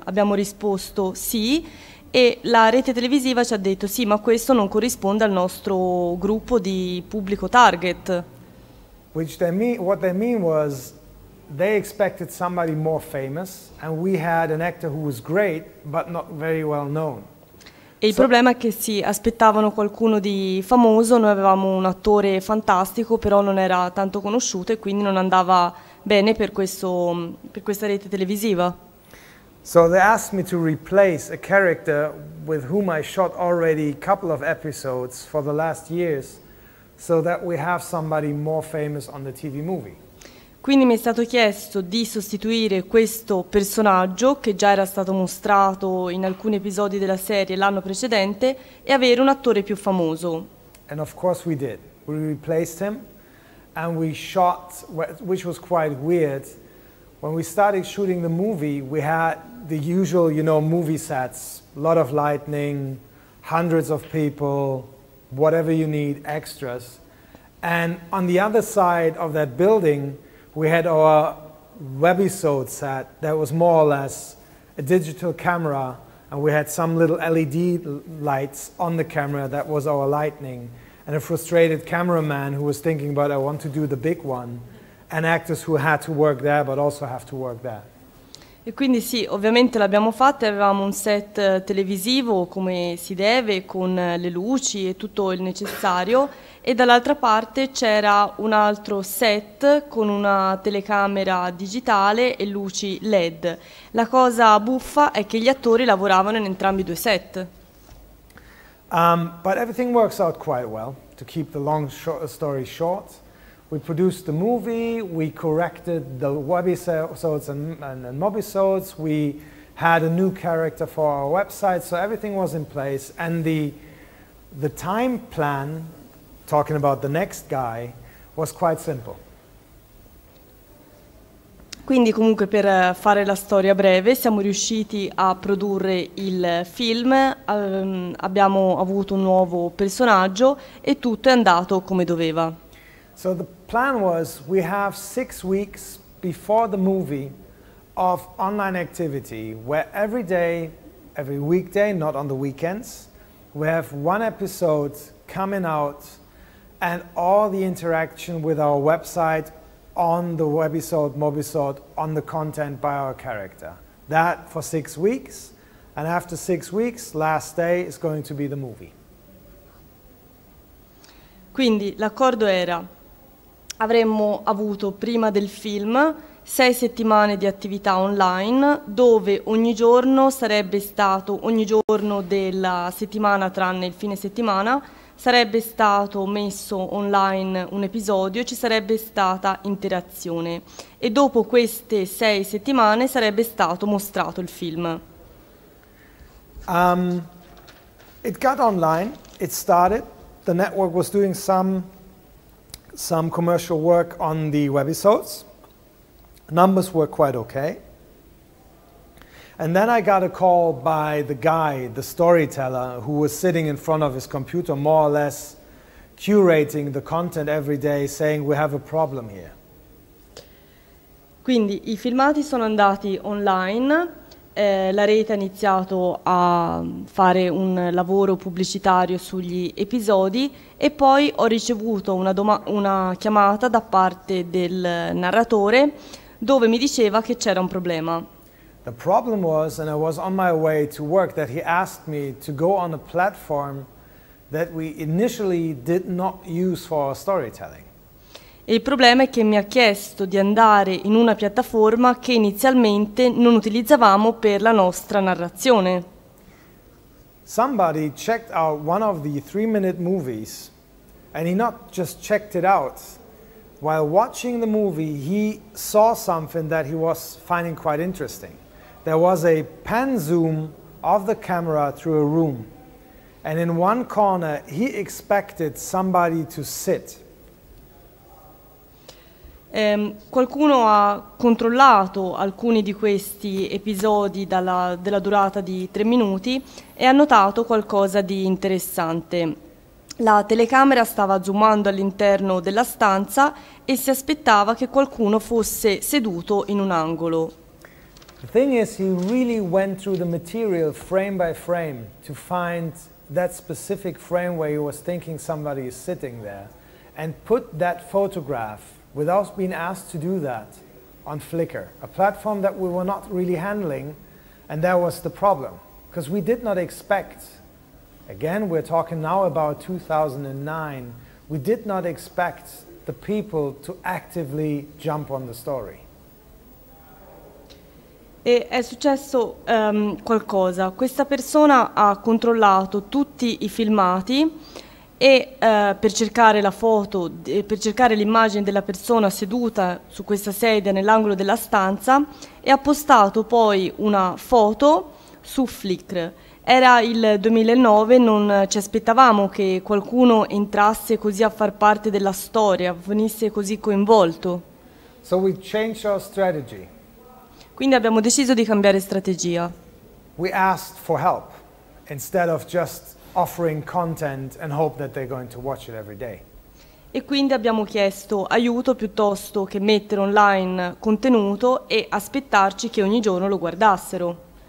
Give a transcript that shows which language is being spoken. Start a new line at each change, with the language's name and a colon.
Italian: Abbiamo risposto sì e la rete televisiva ci ha detto sì, ma questo non corrisponde al nostro gruppo di pubblico target.
English: What they mean was they expected somebody more famous and we had an actor who was great but not very well known.
Italian: E il problema è che si aspettavano qualcuno di famoso, noi avevamo un attore fantastico, però non era tanto conosciuto e quindi non andava bene per questa rete televisiva.
English: So they asked me to replace a character with whom I shot already a couple of episodes for the last years so that we have somebody more famous on the TV movie.
Italian: Quindi mi è stato chiesto di sostituire questo personaggio che già era stato mostrato in alcuni episodi della serie l'anno precedente e avere un attore più famoso.
English: And of course we did. We replaced him and we shot, which was quite weird. When we started shooting the movie, we had the usual, you know, movie sets, a lot of lighting, hundreds of people, whatever you need, extras. And on the other side of that building, we had our webisode set that was more or less a digital camera and we had some little LED lights on the camera that was our lightning and a frustrated cameraman who was thinking about I want to do the big one and actors who had to work there but also have to work there.
Italian: E quindi sì, ovviamente l'abbiamo fatta, avevamo un set televisivo come si deve, con le luci e tutto il necessario, e dall'altra parte c'era un altro set con una telecamera digitale e luci LED. La cosa buffa è che gli attori lavoravano in entrambi i due set.
English: But everything works out quite well, to keep the long story short. We produced the movie, we corrected the webisodes and mobisodes, we had a new character for our website, so everything was in place. And the time plan, talking about the next guy, was quite simple.
Italian: Quindi comunque per fare la storia breve, siamo riusciti a produrre il film, abbiamo avuto un nuovo personaggio e tutto è andato come doveva.
English: So the plan was we have 6 weeks before the movie of online activity where every day, every weekday, not on the weekends, we have one episode coming out and all the interaction with our website on the webisode, mobisode, on the content by our character. That for 6 weeks, and after 6 weeks, last day is going to be the movie.
Italian: Quindi l'accordo era: avremmo avuto prima del film 6 settimane di attività online dove ogni giorno sarebbe stato, ogni giorno della settimana tranne il fine settimana, sarebbe stato messo online un episodio, ci sarebbe stata interazione e dopo queste 6 settimane sarebbe stato mostrato il film.
English: It got online, it started, the network was doing some commercial work on the webisodes. Numbers were quite okay. And then I got a call by the guy, the storyteller, who was sitting in front of his computer, more or less curating the content every day, saying, "We have a problem here."
Italian: Quindi i filmati sono andati online, la rete ha iniziato a fare un lavoro pubblicitario sugli episodi e poi ho ricevuto una chiamata da parte del narratore dove mi diceva che c'era un problema.
English: The problem was, and I was on my way to work, that he asked me to go on a platform that we initially did not use for our storytelling.
Italian: E il problema è che mi ha chiesto di andare in una piattaforma che inizialmente non utilizzavamo per la nostra narrazione.
English: Somebody checked out one of the 3-minute movies, and he not just checked it out. While watching the movie, he saw something that he was finding quite interesting. There was a pan zoom of the camera through a room, and in one corner he expected somebody to sit.
Italian: Qualcuno ha controllato alcuni di questi episodi della durata di 3 minuti e ha notato qualcosa di interessante. La telecamera stava zoomando all'interno della stanza e si aspettava che qualcuno fosse seduto in un angolo.
English: The thing is, he really went through the material frame by frame to find that specific frame where he was thinking somebody is sitting there and put that photograph, without being asked to do that, on Flickr, a platform that we were not really handling, and that was the problem. Because we did not expect, again, we're talking now about 2009, we did not expect the people to actively jump on the story.
Italian: E è successo qualcosa. Questa persona ha controllato tutti i filmati e per cercare la foto, per cercare l'immagine della persona seduta su questa sedia nell'angolo della stanza e ha postato poi una foto su Flickr. Era il 2009, non ci aspettavamo che qualcuno entrasse così a far parte della storia, venisse così coinvolto.
English: So we changed our strategy.
Italian: Quindi abbiamo deciso di cambiare strategia.
English: We asked for help instead of just offering content and hope that they're going to watch it every day.
Italian: E quindi abbiamo chiesto aiuto piuttosto che mettere online contenuto e aspettarci che ogni giorno lo guardassero.